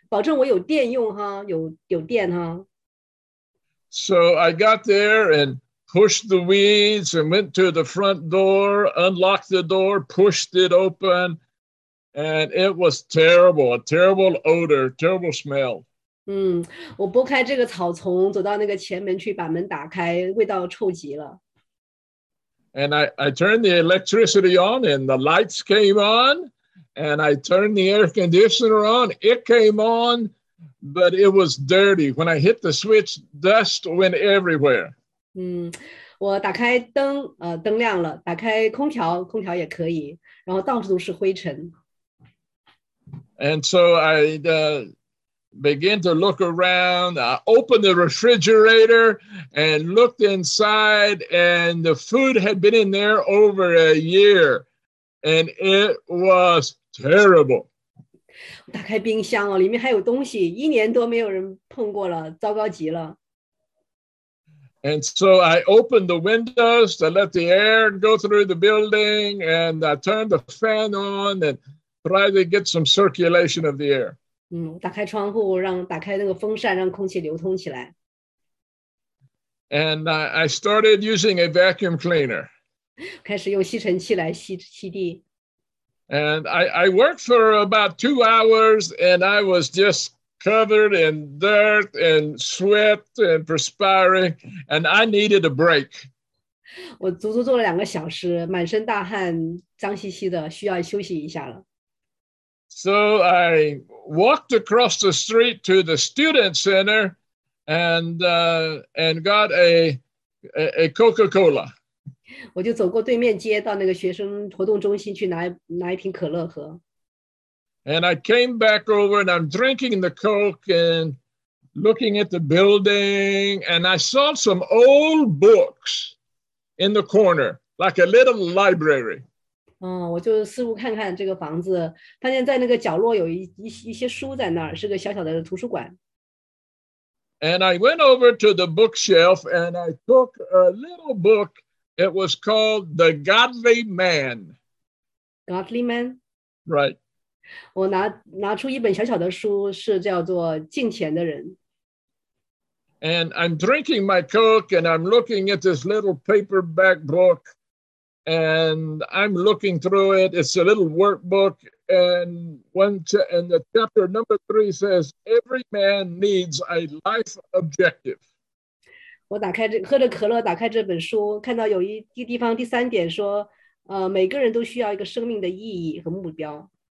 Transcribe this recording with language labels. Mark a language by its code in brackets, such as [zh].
[zh] 那个地方是在德州的东部，那个院子呢，那个草长得齐腰这么高了。他跟那个校长说，保证我有电用哈，有电哈。 [en] So I got there and pushed the weeds and went to the front door, unlocked the door, pushed it open, and it was terrible, a terrible odor, terrible smell. [zh] 我拨开这个草丛，走到那个前门去把门打开，味道臭极了。And [en] I turned the electricity on and the lights came on, and I turned the air conditioner on, it came on. But it was dirty. When I hit the switch, dust went everywhere. [zh] 我打开灯，灯亮了。打开空调，空调也可以。然后到处都是灰尘。And [en] so I began to look around. I opened the refrigerator and looked inside, and the food had been in there over a year. And it was terrible. [zh] 打开冰箱哦，里面还有东西，一年多没有人碰过了，糟糕极了。 [en] And so I opened the windows, I let the air go through the building, and I turned the fan on and tried to get some circulation of the air. [zh] 打开窗户，打开那个风扇，让空气流通起来。 [en] And I started using a vacuum cleaner. [zh] 开始用吸尘器来吸地。 [en] And I worked for about 2 hours, and I was just covered in dirt and sweat and perspiring, and I needed a break. [zh] 我足足做了两个小时，满身大汗，脏兮兮的，需要休息一下了。 [en] So I walked across the street to the student center and got a Coca-Cola. [zh] 我就走过对面街到那个学生活动中心去拿一瓶可乐喝。 [en] And I came back over and I'm drinking the Coke and looking at the building and I saw some old books in the corner, like a little library. [zh] 我就四处看看这个房子，发现在那个角落有一些书在那儿，是个小小的图书馆。 [en] And I went over to the bookshelf and I took a little book. It was called The Godly Man. Godly Man? Right. [zh] 我拿出一本小小的书，是叫做《敬虔的人》。 [en] And I'm drinking my Coke, and I'm looking at this little paperback book, and I'm looking through it. It's a little workbook, and the chapter number 3 says, "Every man needs a life objective." [zh] 我打开喝着可乐，打开这本书，看到有一地方第三点说，每个人都需要一个生命的意义和目标。